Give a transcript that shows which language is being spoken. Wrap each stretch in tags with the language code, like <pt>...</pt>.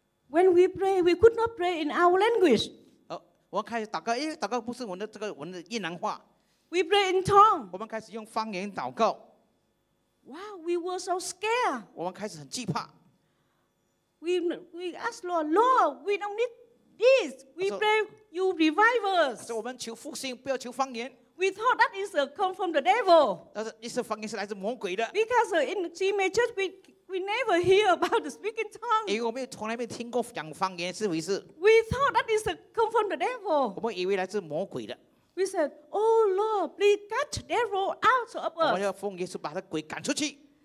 <en>When we pray, we could not pray in our language.</en> <zh>我们开始祷告，祷告不是我们的越南话。</zh> <en>We pray in tongue.</en> <zh>我们开始用方言祷告。</zh> <en>Wow, we were so scared.</en> <zh>我们开始很惧怕。</zh> <en>We ask Lord, we don't need this. We pray you revive us.</en> <zh>所以我们求复兴，不要求方言。</zh> <en>We thought that is come from the devil.</en> <zh>但是，那些方言是来自魔鬼的。</zh> <en>Because in the church, we we never hear about the speaking tongue.</en> <zh>因为我们从来没听过讲方言是不是？</zh> <en>We thought that is a come from the devil.</en> <zh>我们以为来自魔鬼的。</zh> <en>We said, "Oh Lord, please cast the devil out of us."</en> <zh>我们要奉耶稣把他鬼赶出去。</zh>